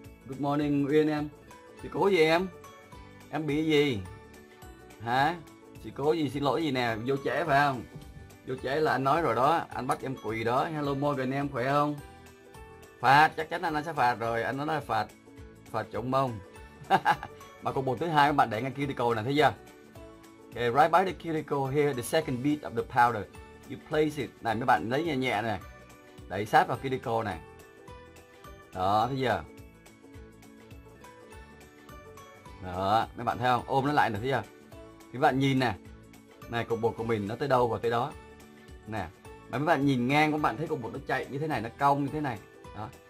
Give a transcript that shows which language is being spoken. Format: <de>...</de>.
<vi>Good morning Nguyên em. Sự cố gì em? Em bị gì? Hả? Sự cố gì, xin lỗi gì nè, vô trễ phải không? Vô trễ là anh nói rồi đó, anh bắt em quỳ đó. Hello Morgan em, khỏe không? Phạt, chắc chắn anh sẽ phạt rồi, anh nói là phạt. Phạt trộm mông. Mà cục bột thứ hai các bạn để ngay cuticle nè, thấy chưa?</vi> <en>Ok, right by the cuticle here, the second bead of the powder. You place it,</en> <vi>này mấy bạn lấy nhẹ nhẹ nè. Đẩy sát vào cuticle nè. Đó, thấy chưa? Đó, mấy bạn thấy không? Ôm nó lại nè, thấy chưa? Mấy bạn nhìn nè. Này, cục bột của mình nó tới đâu và tới đó. Nè, mà mấy bạn nhìn ngang các bạn thấy cục bột nó chạy như thế này, nó cong như thế này. Đó.</vi>